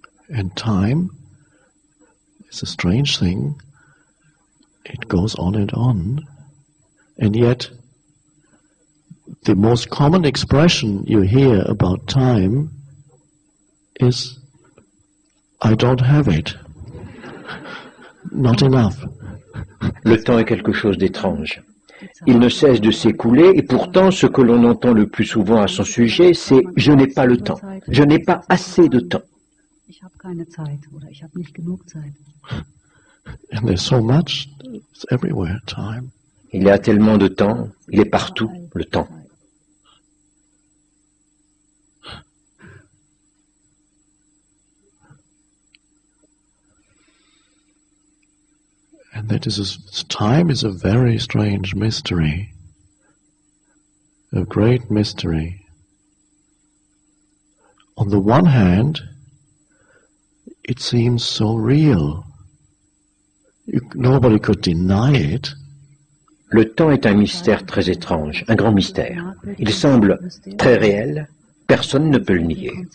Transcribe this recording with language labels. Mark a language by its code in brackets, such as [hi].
[en] And time is a strange thing. It goes on, and yet the most common expression you hear about time is, I don't have it. Not enough. [fr] Le temps est quelque chose d'étrange. Il ne cesse de s'écouler, et pourtant ce que l'on entend le plus souvent à son sujet, c'est, je n'ai pas le temps. Je n'ai pas assez de temps. [de] Ich habe keine Zeit, oder ich habe nicht genug Zeit. [en] And there's so much, it's everywhere, time. [fr] Il y a tellement de temps, il est partout, le temps. [en] And that is a, time is a very strange mystery, a great mystery. On the one hand, it seems so real. Nobody could deny it. [fr] Le temps est un mystère très étrange, un grand mystère. Il semble très réel, personne ne peut le nier.